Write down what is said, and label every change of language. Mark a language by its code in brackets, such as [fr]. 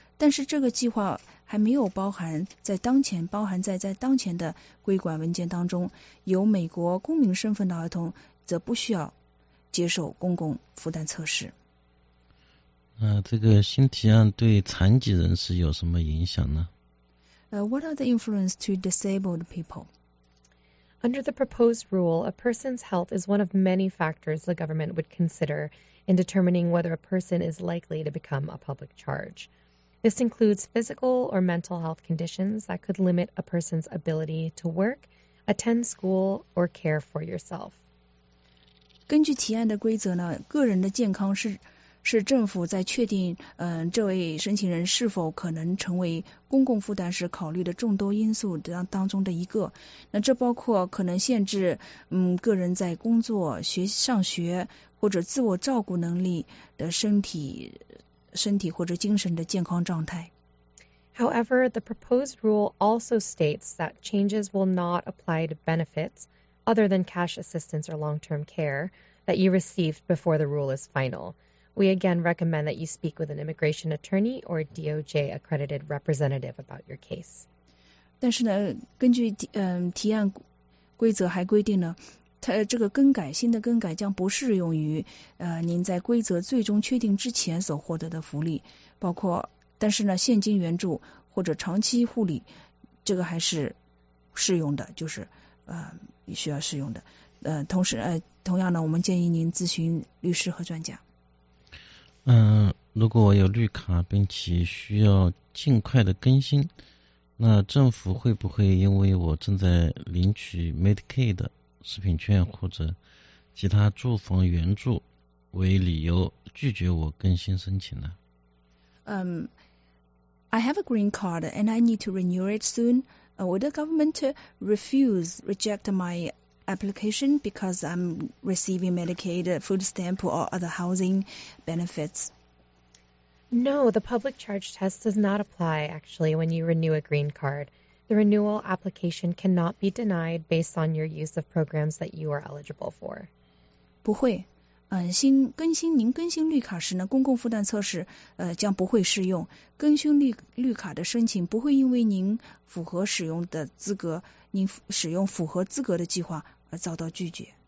[zh] 但是这个计划还没有包含在当前，包含在当前的归管文件当中。有美国公民身份的儿童则不需要接受公共负担测试。这个新提案对残疾人士有什么影响呢？ [en] What are the influence to disabled people? Under the proposed rule, a person's health is one of many factors the government would consider in determining whether a person is likely to become a public charge. This includes physical or mental health conditions that could limit a person's ability to work, attend school, or care for yourself. [zh] 根据提案的规则呢，个人的健康是政府在确定这位申请人是否可能成为公共负担时考虑的众多因素当中的一个。那这包括可能限制个人在工作、学上学或者自我照顾能力的身体或者精神的健康状态。 [en] However, the proposed rule also states that changes will not apply to benefits other than cash assistance or long-term care that you received before the rule is final. We again recommend that you speak with an immigration attorney or DOJ accredited representative about your case. [zh] 但是呢，根据提案规则还规定呢，它这个更改，新的更改将不适用于您在规则最终确定之前所获得的福利，包括但是呢，现金援助或者长期护理，这个还是适用的，就是需要适用的。同时同样呢，我们建议您咨询律师和专家。如果我有绿卡并且需要尽快的更新，那政府会不会因为我正在领取 Medicaid 食品券或者其他住房援助为理由拒绝我更新申请呢？ [en] I have a green card and I need to renew it soon. Would the government reject my application because I'm receiving Medicaid, food stamp, or other housing benefits? No, the public charge test does not apply, actually, when you renew a green card. The renewal application cannot be denied based on your use of programs that you are eligible for. [zh] 不会，您更新绿卡时呢，公共负担测试将不会适用。更新绿卡的申请不会因为您符合使用的资格，您使用符合资格的计划而遭到拒绝。